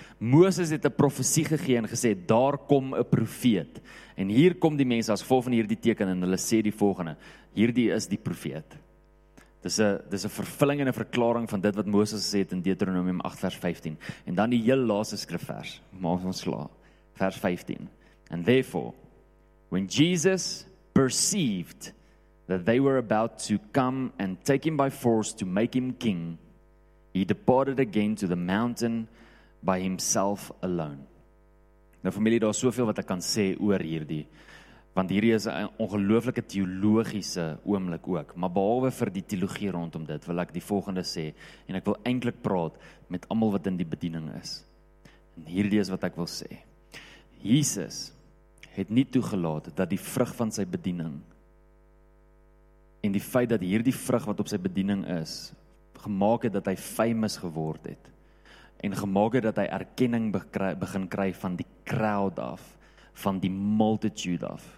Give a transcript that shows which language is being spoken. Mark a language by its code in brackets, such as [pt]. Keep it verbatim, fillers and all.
[af] Moses het 'n profesie gegee en gesê daar kom 'n profeet. En hier kom die mense as gevolg van hierdie teken en hulle sê die volgende: hierdie is die profeet. Dis 'n dis 'n vervulling en 'n verklaring van dit wat Moses gesê het in Deuteronomium agt vers vyftien. En dan die heel laaste skrifvers, maak ons sla, vers vyftien. [en] And therefore, when Jesus perceived that they were about to come and take him by force to make him king, he departed again to the mountain by himself alone. [af] Nou familie, daar is soveel wat ek kan sê oor hierdie, want hierdie is 'n ongelooflike teologiese oomblik ook, maar behalwe vir die teologie rondom dit, wil ek die volgende sê, en ek wil eintlik praat met almal wat in die bediening is. En hierdie is wat ek wil sê. Jesus het nie toegelaat dat die vrug van sy bediening en die feit dat hierdie vrug wat op sy bediening is, gemaak het dat hy famous geword het, en gemaak het dat hy erkenning bekry, begin kry van die crowd af, van die multitude af.